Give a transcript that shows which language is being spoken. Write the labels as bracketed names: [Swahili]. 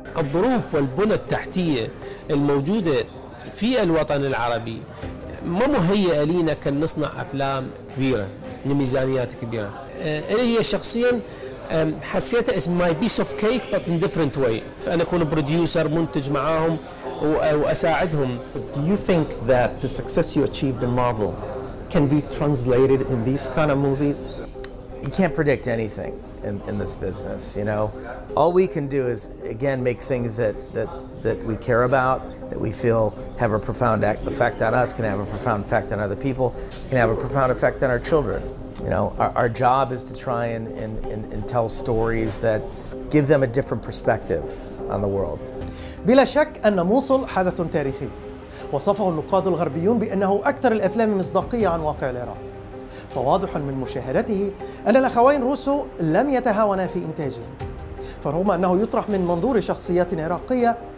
[Arabic] الظروف والبنى التحتية الموجودة في الوطن العربي ما مهيئة لنا كأن نصنع أفلام كبيرة لميزانيات كبيرة. هي شخصياً حسيتها اسم [English] my piece of cake but in different way. [Arabic] فأنا أكون بروديوسر منتج معاهم وأساعدهم. [English] Do you think that the success you achieved in Marvel can be translated in these kind of movies? You can't predict anything in this business, you know. All we can do is again make things that we care about, that we feel have a profound effect on us, can have a profound effect on other people, can have a profound effect on our children. You know, our job is to try and tell stories that give them a different perspective on the world. [Arabic] بلا شك أن موصل حدث تاريخي، وصفه النقاد الغربيون بأنه أكثر الأفلام مصداقية عن واقع العراق. فواضح من مشاهدته أن الأخوين روسو لم يتهاونا في إنتاجه، فرغم أنه يطرح من منظور شخصيات عراقية